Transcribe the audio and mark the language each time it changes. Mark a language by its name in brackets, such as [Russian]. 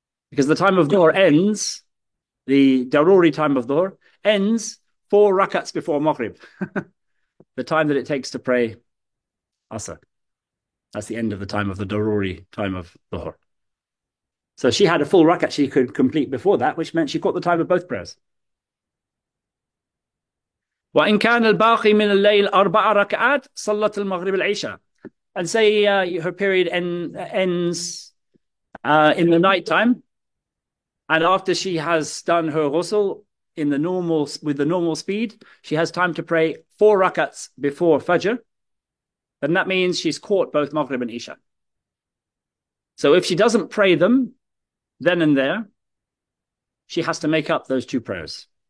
[English] Because the time of dhuhr ends, the daruri time of dhuhr, ends four rak'ats before maghrib, the time that it takes to pray asr. That's the end of the time of the daruri time of dhuhr. So she had a full rak'at she could complete before that, which meant she caught the time of both prayers. [Arabic] وإن كان الباقي من الليل أربع ركعات صلت المغرب العشاء. [English] And say her period ends in the night time, and after she has done her ghusl in the normal with the normal speed, she has time to pray four rakats before Fajr. Then that means she's caught both Maghrib and Isha. So if she doesn't pray them then and there, she has to make up those two prayers.